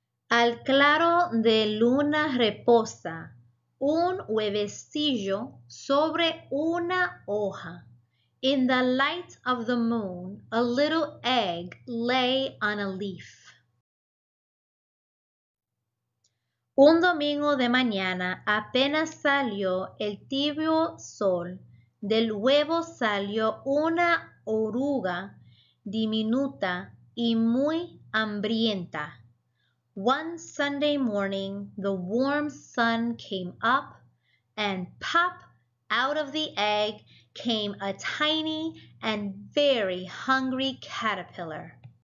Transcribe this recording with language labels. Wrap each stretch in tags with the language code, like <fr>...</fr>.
<es>Al claro de luna reposa un huevecillo sobre una hoja.</es> <en>In the light of the moon, a little egg lay on a leaf.</en> <es>Un domingo de mañana, apenas salió el tibio sol, del huevo salió una oruga diminuta y muy hambrienta.</es> <en>One Sunday morning, the warm sun came up, and pop, out of the egg came a tiny and very hungry caterpillar.</en>